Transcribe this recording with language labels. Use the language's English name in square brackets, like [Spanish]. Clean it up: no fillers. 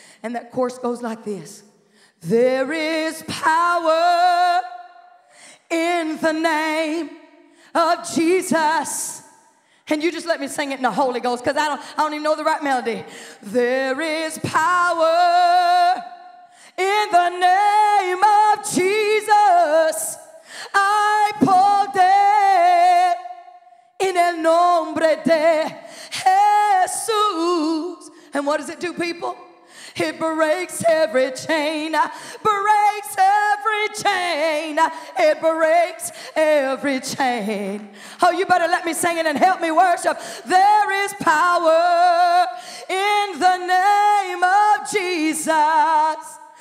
[English] And that chorus goes like this. There is power in the name of Jesus. And you just let me sing it in the Holy Ghost because I don't even know the right melody. There is power in the name of Jesus. [Spanish] I poder en el nombre de Jesús. [English] And what does it do, people? It breaks every chain, breaks every chain, it breaks every chain. Oh, you better let me sing it and help me worship. There is power in the name of Jesus.